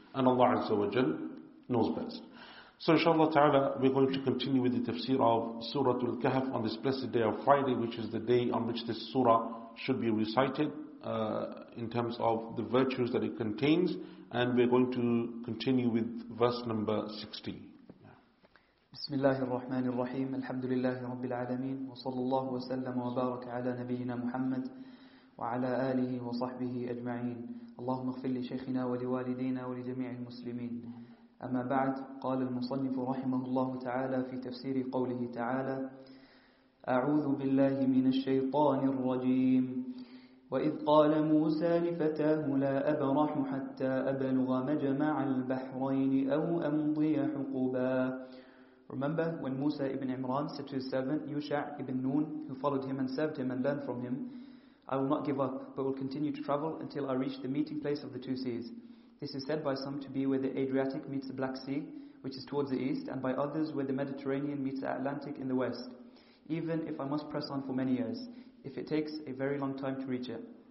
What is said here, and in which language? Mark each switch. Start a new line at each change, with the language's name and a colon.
English: And Allah Azza wa Jal knows best. So inshallah ta'ala, we're going to continue with the tafsir of Surah Al-Kahf on this blessed day of Friday, which is the day on which this surah should be recited in terms of the virtues that it contains. And we're going to continue with verse number 60.
Arabic: بسم الله الرحمن الرحيم الحمد لله رب العالمين وصلى الله وسلم وبارك على نبينا محمد وعلى آله وصحبه أجمعين اللهم اغفر لشيخنا ولوالدينا ولجميع المسلمين أما بعد قال المصنف رحمه الله تعالى في تفسير قوله تعالى أعوذ بالله من الشيطان الرجيم وإذ قال موسى لفتاه لا أبرح حتى أبلغ مجمع البحرين أو أمضي حقوبا.
English: Remember when Musa ibn Imran said to his servant Yusha' ibn Nun, who followed him and served him and learned from him, I will not give up, but will continue to travel until I reach the meeting place of the two seas. This is said by some to be where the Adriatic meets the Black Sea, which is towards the east, and by others where the Mediterranean meets the Atlantic in the west, even if I must press on for many years, if it takes a very long time to reach it.